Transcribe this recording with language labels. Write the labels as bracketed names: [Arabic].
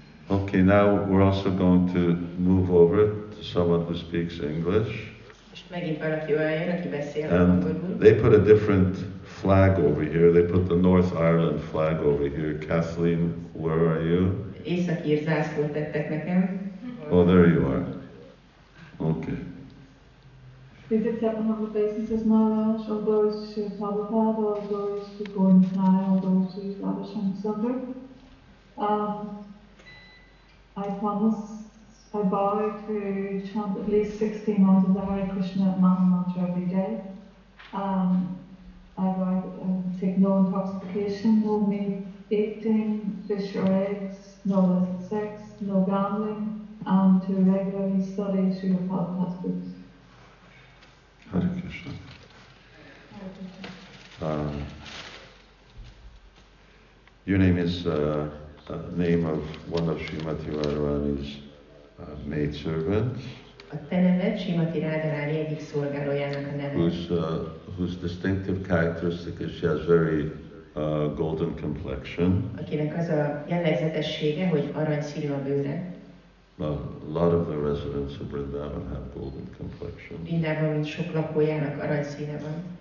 [English] Okay, now we're also going to move over to someone who speaks English. And they put a different flag over here. They put the North Ireland flag over here. Kathleen, where are you? [Hungarian] Északír zászlót tettek nekem. [English] Oh, there you are. Okay. Please accept one of the faces as Maharaj, all glories to Srila Prabhupada, all glories to Gaurang Thai, all glories to Radha Shyamasundar. I promise, I vow to chant at least 16 rounds of the Hare Krishna Maha Mantra every day. I vow to take no intoxication, no meat, eating, fish or eggs, no illicit sex, no gambling, and to regularly study Srila Prabhupada's books. Hare Krishna. Your name is name of one of Srimati Radharani's maidservants. [Hungarian] A te neved Srimati Radharani egyik szolgálójának a neve. [English] Whose distinctive characteristic is she has very golden complexion. [Hungarian] Akinek az a jellegzetessége, hogy aranyszínű a bőre. [English] A lot of the residents of Vrindavan have golden complexion. [Hungarian] Vrindavan sok lakójának aranyszíne van.